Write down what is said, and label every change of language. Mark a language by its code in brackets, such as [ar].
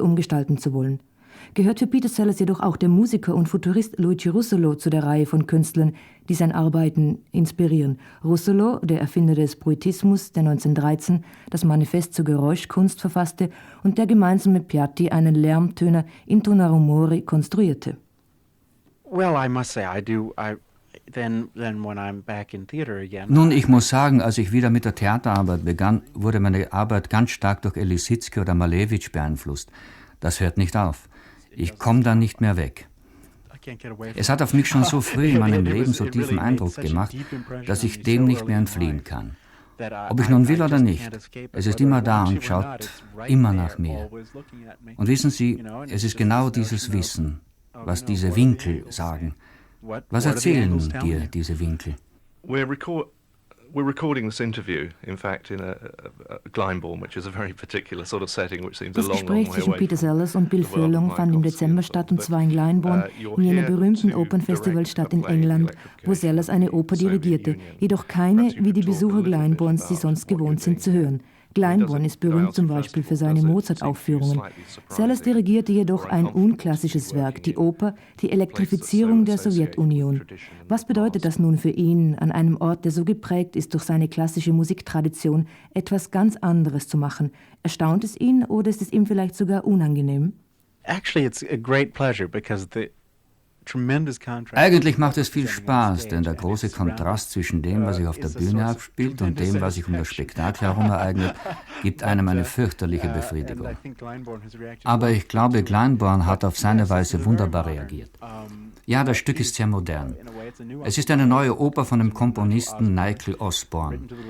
[de] umgestalten zu wollen? Gehört für Peter Sellers jedoch auch der Musiker und Futurist Luigi Russolo zu der Reihe von Künstlern, die sein Arbeiten inspirieren? Russolo, der Erfinder des Bruitismus, der 1913 das Manifest zur Geräuschkunst verfasste und der gemeinsam mit Piatti einen Lärmtöner Intonarumori konstruierte. [en] Well, I must say, I do. Then when I'm back in theater again. [de] Nun, ich muss sagen, als ich wieder mit der Theaterarbeit begann, wurde meine Arbeit ganz stark durch Elisitsky oder Malevich beeinflusst. Das hört nicht auf. Ich komme da nicht mehr weg. Es hat auf mich schon so früh in meinem Leben so tiefen Eindruck gemacht, dass ich dem nicht mehr entfliehen kann. Ob ich nun will oder nicht, es ist immer da und schaut immer nach mir. Und wissen Sie, es ist genau dieses Wissen, was diese Winkel sagen. Was erzählen dir diese Winkel? [en] We're recording this interview, in fact, in a Glyndebourne, which is a very particular sort of setting, which seems a long, long way away. [de] Das Gespräch zwischen Peter Sellers und Bill Furlong fand im Dezember statt, und zwar in Glyndebourne, in jener berühmten Opernfestivalstadt in England, wo Sellers eine Oper dirigierte, jedoch keine, wie die Besucher Glyndebournes sie sonst gewohnt sind zu hören. Glyndebourne ist berühmt zum Beispiel für seine Mozart-Aufführungen. Sellers dirigierte jedoch ein unklassisches Werk, die Oper, die Elektrifizierung der Sowjetunion. Was bedeutet das nun für ihn, an einem Ort, der so geprägt ist durch seine klassische Musiktradition, etwas ganz anderes zu machen? Erstaunt es ihn oder ist es ihm vielleicht sogar unangenehm? [en] Actually, it's a great pleasure because the tremendous contrast. [de] Eigentlich macht es viel Spaß, denn der große Kontrast zwischen dem, was sich auf der Bühne abspielt und dem, was sich um das Spektakel herum ereignet, gibt einem eine fürchterliche Befriedigung. Aber ich glaube, Glyndebourne hat auf seine Weise wunderbar reagiert. Ja, das Stück ist sehr modern. Es ist eine neue Oper von dem Komponisten Nigel Osborne.